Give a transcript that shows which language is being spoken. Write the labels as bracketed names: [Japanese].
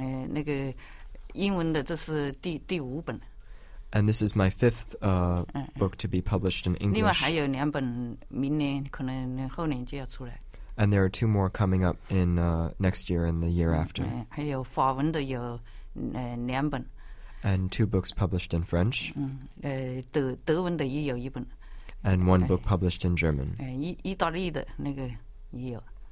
[Chinese] 那个英文的这是第五本。 [English] And this is my fifth book to be published in English. [Chinese] 另外还有两本，明年可能后年就要出来。 [English] And there are two more coming up in next year and the year after. [Chinese] 还有法文的有两本。 [English] And two books published in French. [Chinese] 德文的也有一本。 [English] And one book published in German. [Chinese] 意大利的那个也有。